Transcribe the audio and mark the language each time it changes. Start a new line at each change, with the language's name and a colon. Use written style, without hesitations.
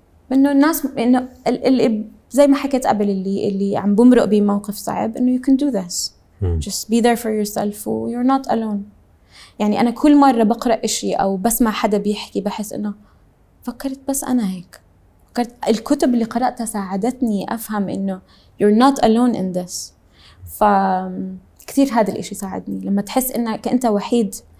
Arabic: وإنه الناس إنه اللي زي ما حكيت قبل اللي عم بمرق بموقف صعب إنه you can do this.
English: Just be there for yourself and you're not alone.
Arabic: يعني أنا كل مرة بقرأ إشي أو بسمع حدا بيحكي بحس إنه فكرت بس أنا هيك، فكرت الكتب اللي قرأتها ساعدتني أفهم إنه you're not alone in this. فكثير هذا الإشي ساعدني لما تحس إنك أنت وحيد.